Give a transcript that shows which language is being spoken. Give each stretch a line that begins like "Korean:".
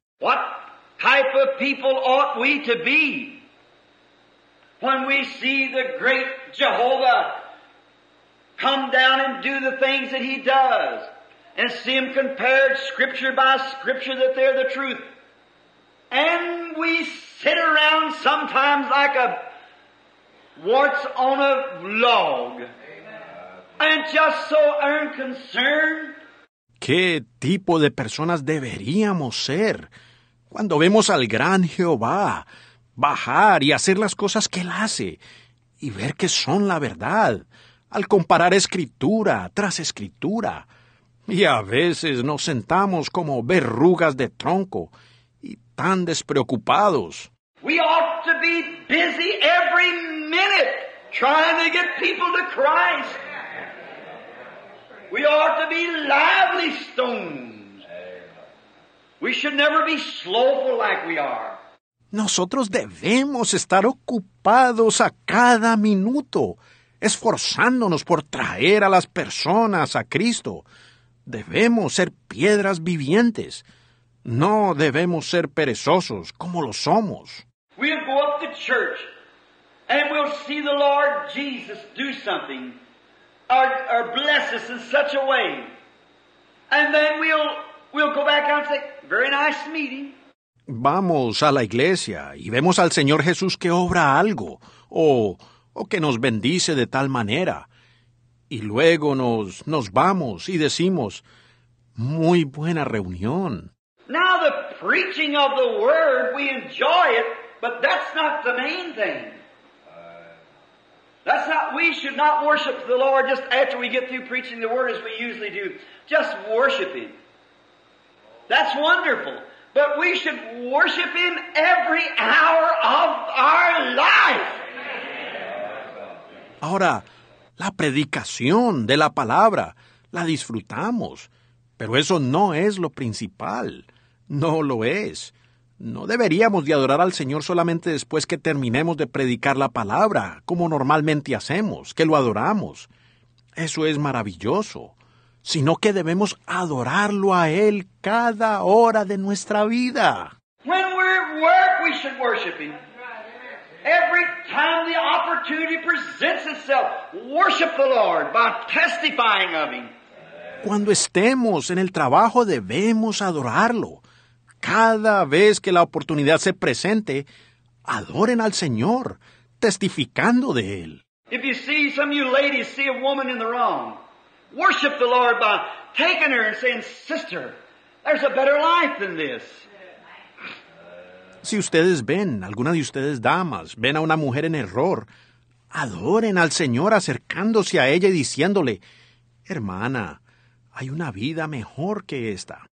English: What type of people ought we to be when we see the great Jehovah come down and do the things that he does and see him compared scripture by scripture that they're the truth? And we sit around sometimes like a warts on a log. And just so unconcerned.
Spanish: ¿Qué tipo de personas deberíamos ser cuando vemos al gran Jehová bajar y hacer las cosas que él hace y ver que son la verdad, al comparar escritura tras escritura? Y a veces nos sentamos como verrugas de tronco y tan despreocupados.
English: We ought to be busy every minute trying to get people to Christ. We ought to be lively stones. We should never be slothful like we are.
Spanish: Nosotros debemos estar ocupados a cada minuto, esforzándonos por traer a las personas a Cristo. Debemos ser piedras vivientes. No debemos ser perezosos como lo somos.
English: We'll go up to church and we'll see the Lord Jesus do something or bless us in such a way. And then we'll go back out and say, very nice meeting.
Spanish: Vamos a la iglesia y vemos al Señor Jesús que obra algo o que nos bendice de tal manera. Y luego nos vamos y decimos, muy buena reunión.
English: Now the preaching of the word, we enjoy it, but that's not the main thing. That's not, we should not worship the Lord just after we get through preaching the word as we usually do. Just worship him. That's wonderful. But we should worship him every hour of our life.
Spanish: Ahora, la predicación de la palabra la disfrutamos, pero eso no es lo principal. No lo es. No deberíamos de adorar al Señor solamente después que terminemos de predicar la palabra, como normalmente hacemos, que lo adoramos. Eso es maravilloso. Sino que debemos adorarlo a Él cada hora de nuestra vida.
English: When we're at work, we should worship him. Every time the opportunity presents itself, worship the Lord by testifying of him.
Spanish: Cuando estemos en el trabajo, debemos adorarlo. Cada vez que la oportunidad se presente, adoren al Señor, testificando de Él.
English: If you see some of you ladies see a woman in the wrong, worship the Lord by taking her and saying, sister, there's a better life than this.
Spanish: Si ustedes ven, alguna de ustedes damas, ven a una mujer en error, adoren al Señor acercándose a ella y diciéndole, hermana, hay una vida mejor que esta.